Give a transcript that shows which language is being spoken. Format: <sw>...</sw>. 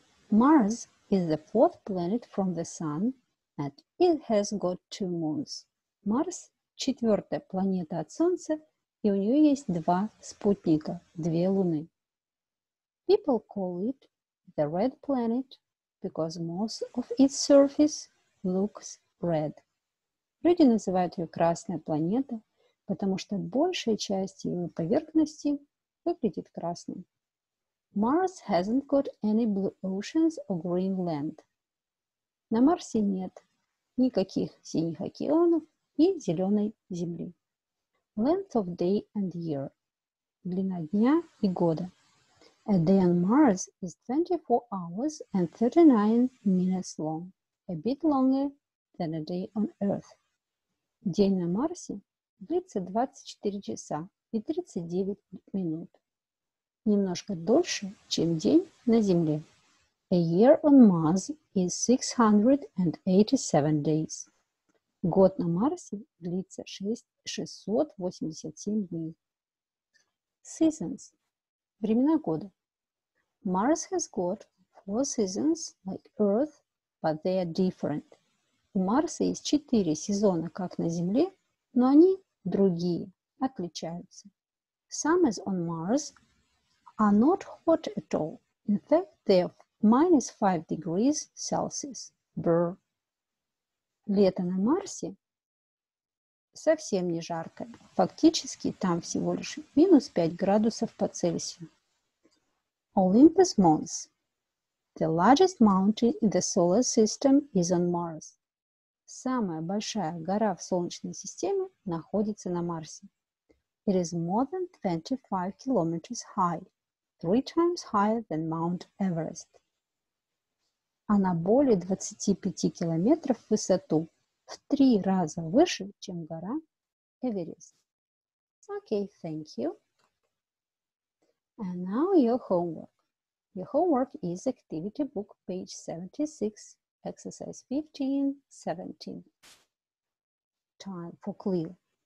<en>Mars is the fourth planet from the Sun. And it has got two moons.</en> <ru>Марс – четвертая планета от Солнца, и у нее есть два спутника, две луны.</ru> <en>People call it the red planet because most of its surface looks red.</en> <ru>Люди называют ее красная планета, потому что большая часть ее поверхности выглядит красной.</ru> <en>Mars hasn't got any blue oceans or green land.</en> <ru>На Марсе нет никаких синих океанов и зеленой земли.</ru> <en>Length of day and year.</en> <ru>Длина дня и года.</ru> <en>A day on Mars is 24 hours and 39 minutes long. A bit longer than a day on Earth.</en> <ru>День на Марсе длится 24 часа и 39 минут. Немножко дольше, чем день на Земле.</ru> <en>A year on Mars is 687 days.</en> <ru>Год на Марсе длится 687 дней. Seasons. Времена года.</ru> <en>Mars has got four seasons like Earth, but they are different.</en> <ru>У Марса есть четыре сезона, как на Земле, но они другие, отличаются.</ru> <en>Summers on Mars are not hot at all. In fact, they are minus 5 degrees Celsius. Brr.</en> <ru>Лето на Марсе совсем не жарко. Фактически там всего лишь минус 5 градусов по Цельсию.</ru> <en>Olympus Mons. The largest mountain in the solar system is on Mars.</en> <ru>Самая большая гора в Солнечной системе находится на Марсе.</ru> <en>It is more than 25 kilometers high, three times higher than Mount Everest.</en> <ru>Она более 25 километров в высоту, в три раза выше, чем гора Эверест.</ru> <en>Okay, thank you. And now your homework. Your homework is activity book page 76, exercise 15, 17. Time for clear.</en>